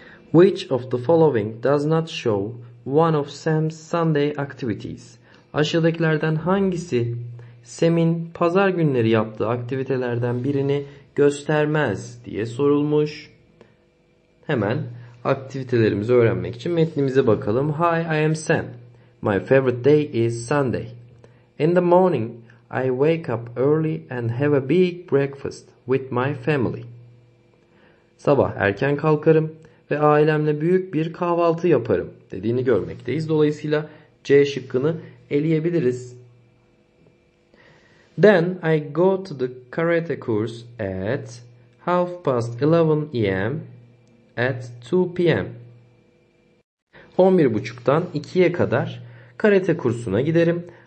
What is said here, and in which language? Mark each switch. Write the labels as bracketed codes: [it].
[en] Which of the following does not show one of Sam's Sunday activities? [tr] Aşağıdakilerden hangisi Sam'in pazar günleri yaptığı aktivitelerden birini göstermez diye sorulmuş. Hemen aktivitelerimizi öğrenmek için metnimize bakalım. [en] Hi, I am Sam. My favorite day is Sunday. In the morning, I wake up early and have a big breakfast with my family. [tr] Sabah erken kalkarım ve ailemle büyük bir kahvaltı yaparım dediğini görmekteyiz. Dolayısıyla C şıkkını eleyebiliriz. [en] Then I go to the karate course at 11:30 a.m. at 2 p.m. [tr] 11:30'dan 2'ye kadar karate kursuna giderim.